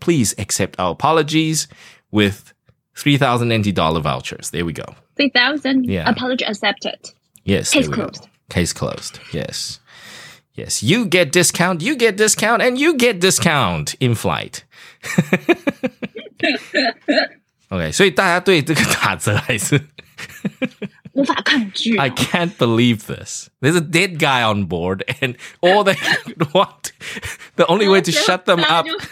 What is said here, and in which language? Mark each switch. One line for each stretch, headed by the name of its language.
English: Please accept our apologies with $3,000 vouchers." There we go. 3,000. Yeah. Apology accepted. Yes. Case closed. Yes. Yes. You get discount, and you get discount in flight. Okay.
Chinese: So, 大家对这个打折还是无法抗拒.
English: I can't believe this. There's a dead guy on board, and all they want, the only way to shut them up.